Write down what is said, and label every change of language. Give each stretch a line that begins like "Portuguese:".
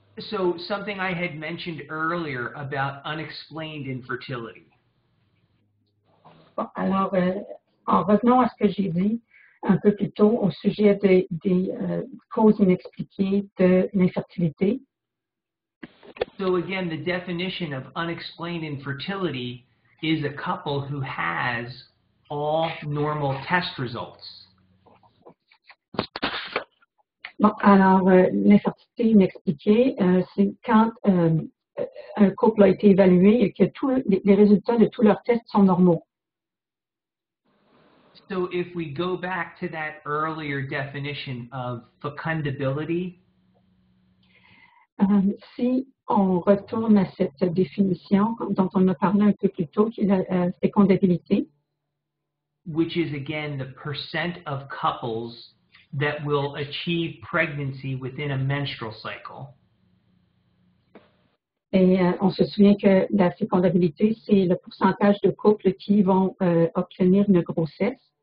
English: So, something I had mentioned earlier about unexplained infertility.
French: Bon, alors, en revenant à ce que j'ai dit un peu plus tôt au sujet des causes inexpliquées de l'infertilité.
English: So again, the definition of unexplained infertility is a couple who has all normal test results.
French: Bon, alors, l'infertilité inexpliquée, c'est quand un couple a été évalué et que tous les résultats de tous leurs tests sont normaux.
English: So if we go back to that earlier definition of fecundability.
French: Si on retourne à cette définition dont on a parlé un peu plus tôt, qui est la fécondabilité.
English: Which is again the percent of couples that will achieve pregnancy within a menstrual cycle.
French: Et on se souvient que la fécondabilité, c'est le pourcentage de couples qui vont obtenir une grossesse.